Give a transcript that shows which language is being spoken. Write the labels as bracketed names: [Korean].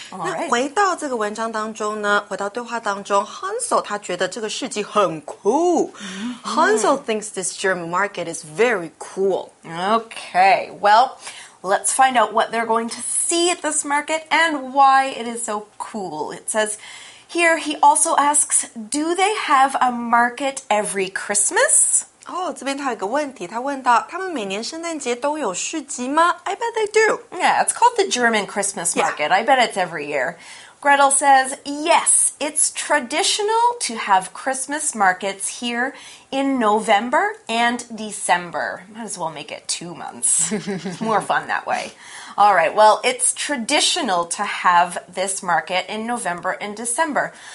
[Chinese] 那回到这个文章当中呢，回到对话当中 ，Hansel 他觉得这个市集很酷。 [English] Hansel thinks this German market is very cool. Okay, well, let's find out what they're going to see at this market and why it is so cool. It says... Here, he also asks, do they have a market every Christmas? [Chinese] Oh, 这边他有个问题，他问到他们每年圣诞节都有市集吗？ [English] I bet they do. Yeah, it's called the German Christmas Market. Yeah. I bet it's every year. Gretel says, yes, it's traditional to have Christmas markets here in November and December. Might as well make it 2 months. It's more fun that way. All right, well, it's traditional to have this market in November and December.